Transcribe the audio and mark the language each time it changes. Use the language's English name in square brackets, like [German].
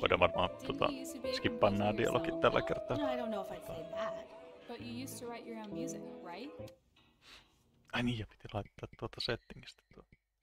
[Finnish] Voidaan varmaan skippaa nää dialogit tällä kertaa. [English] No, I don't know if I'd say that. But you used to write your own music, right? [Finnish] Ai niin, ja piti laittaa tuota settingistä tuota.